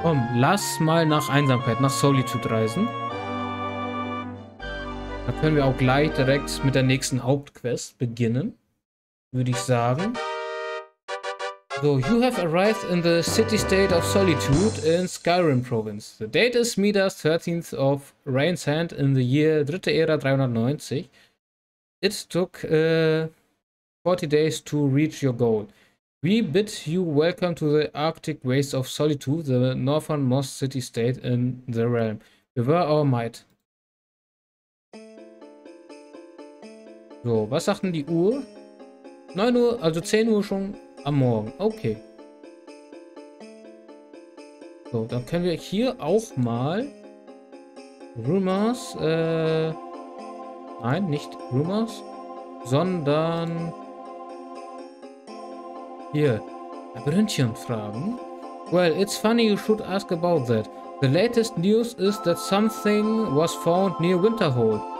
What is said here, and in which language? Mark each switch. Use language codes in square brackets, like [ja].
[de] Komm, lass mal nach Einsamkeit, nach Solitude reisen. Da können wir auch gleich direkt mit der nächsten Hauptquest beginnen, würde ich sagen. [en] So, you have arrived in the city-state of Solitude in Skyrim Province. The date is Midas 13th of Rain's Hand in the year 3. Ära 390. It took 40 days to reach your goal. We bid you welcome to the Arctic Wastes of Solitude, the northernmost city-state in the realm. Beware our might. [de] So, was sagt denn die Uhr? 9 Uhr, also 10 Uhr schon am Morgen. Okay. So, dann können wir hier auch mal Rumors, nein, nicht Rumors, sondern hier Labyrinthium fragen. [en] Well, it's funny you should ask about that. The latest news is that something was found near Winterhold.